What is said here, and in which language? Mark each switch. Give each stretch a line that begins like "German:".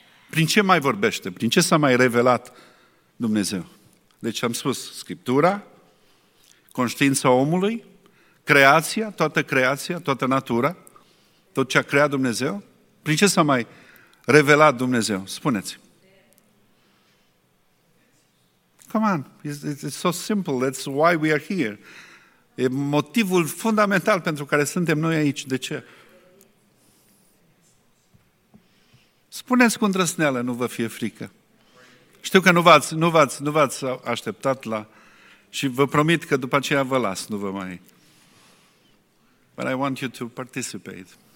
Romanian: Prin ce mai vorbește? Prin ce s-a mai revelat Dumnezeu? Deci am spus Scriptura, conștiința omului, creația, toată natura, tot ce a creat Dumnezeu. Prin ce s-a mai revelat Dumnezeu? Spuneți.
English: Come on, it's so simple, that's why we are here.
Romanian: E motivul fundamental pentru care suntem noi aici. De ce? Spuneți cu îndrăsneală, nu vă fie frică. Știu că nu v-ați așteptat la... Și vă promit că după aceea vă las, nu vă mai...
English: But I want you to participate.